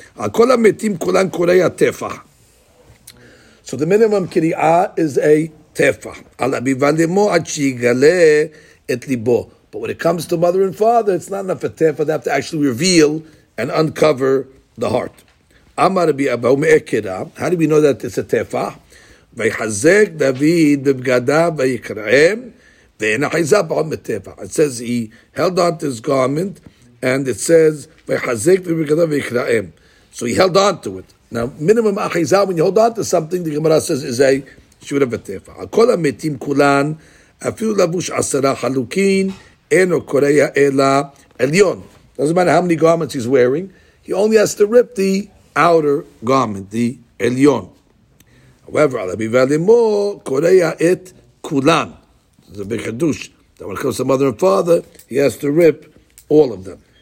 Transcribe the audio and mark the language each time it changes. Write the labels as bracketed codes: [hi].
[en] So the minimum kiri'ah is a tefah. But when it comes to mother and father, it's not enough a tefah. They have to actually reveal and uncover the heart. How do we know that it's a tefah? [he] ויחזק דוד בבגדיו ויקרעם ואין אחיזה בעוד מטבע. [en] It says he held on to his garment and it says [he] ויחזק דוד בבגדיו ויקרעם. [en] So he held on to it. Now, minimum אחיזה, when you hold on to something, the Gemara says is a שיעור בטבע. [he] הכל המתים כולן, אפילו לבוש עשרה חלוקין, אינו קורע אלא עליון. [en] Doesn't matter how many garments he's wearing, he only has to rip the outer garment, the עליון. However, [he] Allah be valimo koreya et kulan. [en] This is a big chiddush. That when it comes to mother and father, he has to rip all of them.